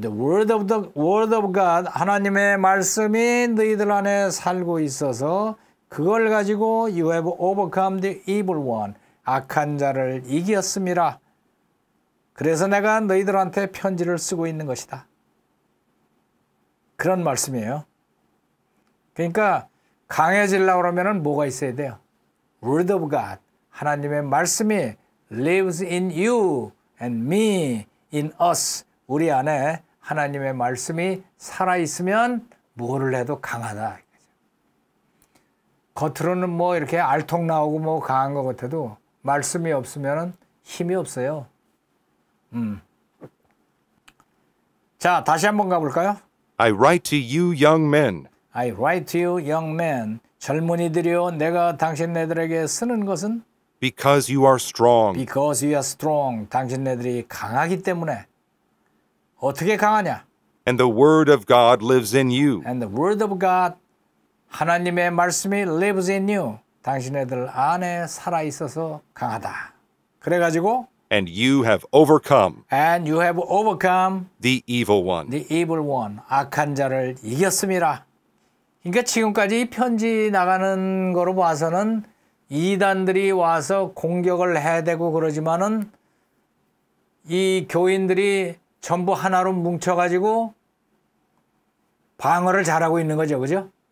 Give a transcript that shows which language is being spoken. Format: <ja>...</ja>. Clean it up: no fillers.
<en>The word of God,</en> <ko>하나님의 말씀이 너희들 안에 살고 있어서 그걸 가지고</ko> <en>you have overcome the evil one,</en> <ko>악한 자를 이겼습니다. 그래서 내가 너희들한테 편지를 쓰고 있는 것이다. 그런 말씀이에요. 그러니까 강해지려고 하면 뭐가 있어야 돼요?</ko> <en>Word of God,</en> <ko>하나님의 말씀이</ko> <en>lives in you and me, in us.</en> <ko>우리 안에 하나님의 말씀이 살아있으면 뭐를 해도 강하다. 겉으로는 뭐 이렇게 알통 나오고 뭐 강한 것 같아도 말씀이 없으면 힘이 없어요. 자, 다시 한번 가볼까요?</ko> <en>I write to you, young men. I write to you, young men.</en> <ko>젊은이들이여, 내가 당신네들에게 쓰는 것은</ko> <en>Because you are strong. Because you are strong.</en> <ko>당신네들이 강하기 때문에. 어떻게 강하냐?</ko> <en>And the word of God lives in you. And the word of God,</en> <ko>하나님의 말씀이</ko> <en>lives in you.</en> <ko>당신네들 안에 살아 있어서 강하다. 그래 가지고</ko> <en>And you have overcome. And you have overcome the evil one. The evil one.</en> <ko>악한 자를 이겼습니다. 그러니까 지금까지 편지 나가는 거로 봐서는 이단들이 와서 공격을 해야 되고 그러지만은 이 교인들이 전부 하나로 뭉쳐가지고 방어를 잘하고 있는 거죠, 그죠?</ko>